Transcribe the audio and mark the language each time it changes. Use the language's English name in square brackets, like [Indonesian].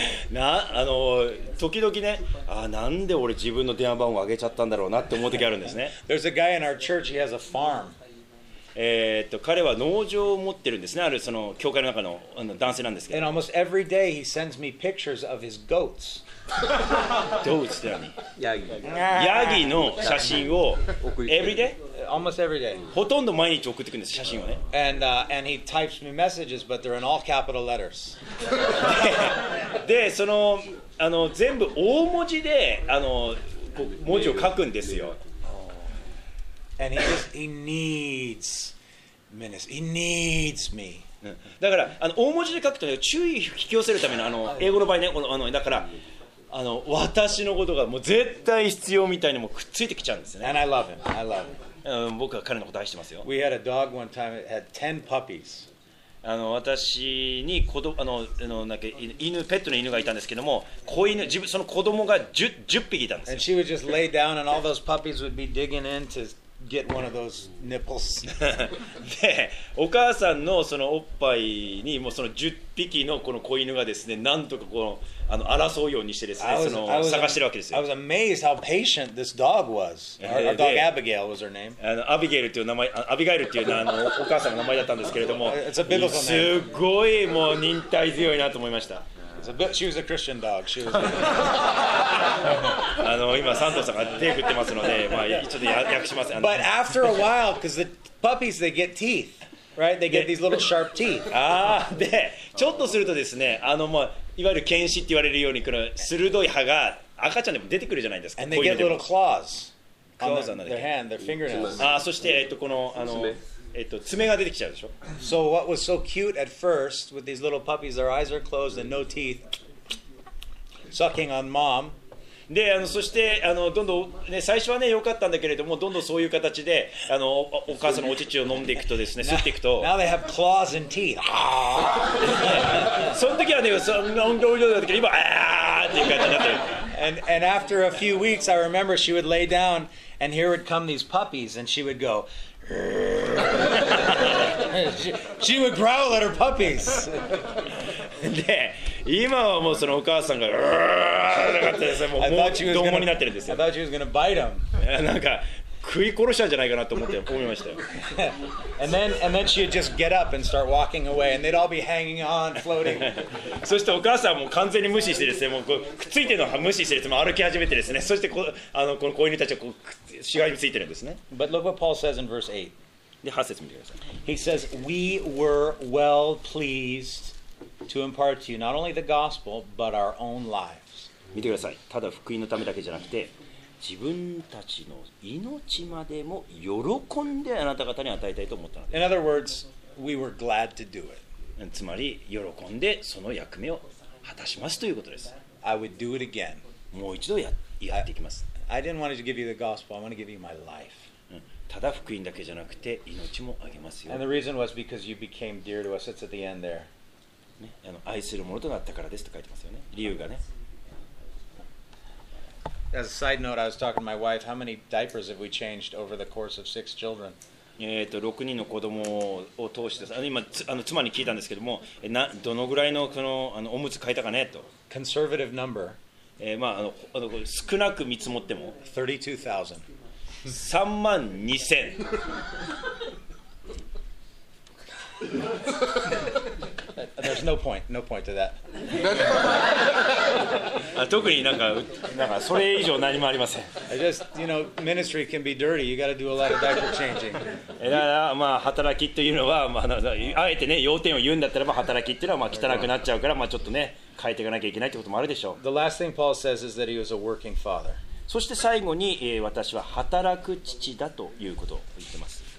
[Japanese] な、あの、時々ね、あ、なんで俺自分の電話番号上げちゃったんだろうなって思う時あるんですね。 [English] There's a guy in our church, he has a farm. [Japanese] 彼は農場を持ってるんですね。あるその教会の中の、あの、男性なんですけど。 [English] And almost every day he sends me pictures of his goats. Goats [Japanese] だよね。ヤギ。ヤギの写真を [English] every day? Almost every day. [Japanese] ほとんど毎日送ってくるんです、写真をね。 [English] And he types me messages, but they're in all capital letters. [Japanese] で、その、あの、全部大文字で、あの、文字を書くんですよ。 [English] And he just, he needs ministry. He needs me. [Japanese] だから、あの、大文字で書くと、ね、注意を引き寄せるための、あの、英語の場合ね、あの、だから、あの、私のことがもう絶対必要みたいにもくっついてきちゃうんですね。 [English] And I love him. I love him. [Japanese] 僕は彼のこと愛してますよ。 [English] We had a dog one time that had 10 puppies. [Japanese] あの私に子供、あの、あの、なんか犬、ペットの犬がいたんですけども、子犬、自分、その子供が 10匹いたんですよ。 [English] And she would just lay down and all those puppies would be digging in to get one of those nipples. [Japanese] で、お母さんのそのおっぱいにもうその10匹のこの子犬がですね、なんとかこう、あの争うようにしてですね、その探してるわけですよ。 [English] I was amazed how patient this dog was. Our dog Abigail was her name. [Japanese] あのアビゲイルという名前、アビガイルというあのお母さんの名前だったんですけれども、 [English] It's a biblical name. [Japanese] すごいもう忍耐強いなと思いました。 [English] She was a Christian dog. She was. [Japanese] あの今サントさんが手振ってますので、まあちょっと訳します。 [English] But after a while, because the puppies they get teeth, right? They get these little sharp teeth. [Japanese] ああ、でちょっとするとですね、あのまあいわゆる犬歯って言われるようにこの鋭い歯が赤ちゃんでも出てくるじゃないですか。 [English] And they get little claws on their hand, their fingernails. [Japanese] ああ、そしてこのあの爪が出てきちゃうでしょ。 [English] So what was so cute at first with these little puppies, their eyes are closed and no teeth, sucking on mom. [Japanese] で、あのそしてあのどんどんね最初はね良かったんだけれども、どんどんそういう形であの お母さんのお乳を飲んでいくとですね、吸っていくと。 [English] Now they have claws and teeth. [Japanese] その時はね、そんな音量だったけど今ああっていう感じになってる。 [English] And after a few weeks, I remember she would lay down and here would come these puppies and she would go. she would growl at her puppies. [Japanese] で、今はもうそのお母さんが、なんかですね、もう子供になってるんですよ。 [English] I thought she was gonna bite him. [Japanese] なんか食い殺したんじゃないかなと思って思いましたよ。 [English] and then she would just get up and start walking away, and they'd all be hanging on, floating. [Japanese] そしてお母さんはもう完全に無視してですね、もうくっついてるのは無視してですね、歩き始めてですね、そしてこあのこの子犬たちはこうしがみついてるんですね。 [English] But look what Paul says in verse 8. [Japanese] で、8節見てください。 [English] He says, "We were well pleased to impart to you not only the gospel, but our own lives." [Japanese] 見てください。ただ福音のためだけじゃなくて、自分たちの命までも喜んであなた方に与えたいと思ったのです。 [English] In other words, we were glad to do it. [Japanese] つまり、喜んでその役目を果たしますということです。 [English] I would do it again. [Japanese] もう一度やっていきます。 [English] I didn't want to give you the gospel. I want to give you my life. [Japanese] ただ福音だけじゃなくて命もあげますよ。 [English] And the reason was because you became dear to us. It's at the end there. [Japanese] ね、あの愛するものとなったからですと書いてますよね。理由がね。 [English] As a side note, I was talking to my wife. How many diapers have we changed over the course of six children? [Japanese] 6人の子供を通して、あの今あの妻に聞いたんですけども、どのぐらいのこのあのおむつ変えたかねと。 [English] Conservative number. [Japanese] まあ、あの少なく見積もっても [English] 32,000 [Japanese] 32,000 [English] There's no point, no point to that. [Japanese] 特になんか、なんかそれ以上何もありません。 [English] I just, you know, ministry can be dirty. You got to do a lot of diaper changing. [Japanese] だから、まあ、働きというのは、まあ、あえてね、要点を言うんだったらば、働きというのは、まあ、汚くなっちゃうから、まあ、ちょっとね、変えていかなきゃいけないってこともあるでしょう。 [English] The last thing Paul says is that he was a working father. [Japanese] そして最後に、私は働く父だということを言ってます。